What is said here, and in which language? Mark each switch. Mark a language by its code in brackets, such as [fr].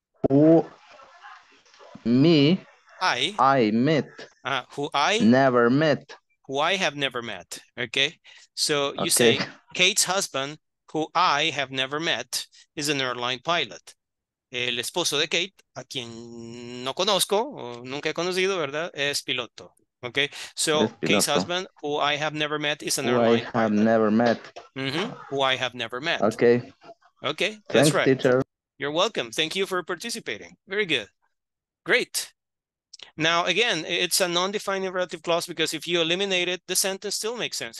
[en] Who? Me. I met. Who I? Never met. Who I have never met, okay? So you say, Kate's husband, who I have never met, is an airline pilot. [es] El esposo de Kate, a quien no conozco, o nunca he conocido, ¿verdad? Es piloto, okay? So piloto. [en] Kate's husband, who I have never met, is an who airline pilot. Who I have never met. Mm-hmm. Who I have never met. Okay. Okay, thanks, that's right. Teacher. You're welcome. Thank you for participating. Very good. Great. Now, again, it's a non-defining relative clause because if you eliminate it, the sentence still makes sense.